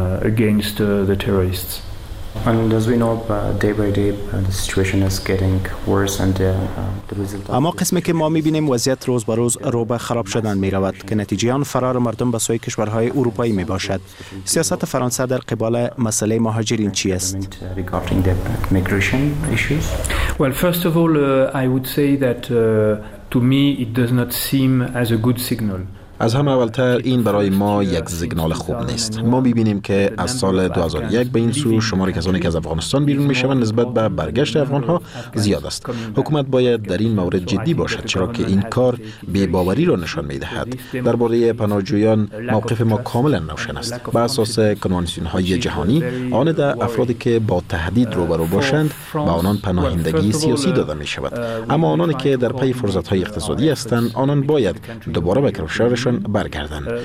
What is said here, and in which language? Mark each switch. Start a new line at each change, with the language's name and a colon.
English: And as we know, day by day, the situation is getting worse, and the result.
Persian: اما قسمی که ما می‌بینیم وضعیت روز به روز رو به خراب شدن می‌رود که نتیجه آن فرار مردم به سوی کشورهای اروپایی می‌باشد. سیاست فرانسه در قبال مسئله مهاجرین چی است؟
English: Regarding the migration issues. Well, first of all, I would say that to me, it does not seem as a good signal.
Persian: از همه اولتر این برای ما یک سیگنال خوب نیست. ما میبینیم که از سال 2001 به این سو شمار کسانی که از افغانستان بیرون میشوند نسبت به برگشت افغانها زیاد است. حکومت باید در این مورد جدی باشد، چرا که این کار بی‌باوری را نشان میدهد. درباره پناهجویان موقف ما کاملا روشن است. بر اساس کنوانسیون های جهانی آن در افرادی که با تهدید روبرو باشند به آنان پناهندگی سیاسی داده میشود، اما آنانی که در پی فرصت های اقتصادی هستند آنان باید دوباره به کشور برگردن.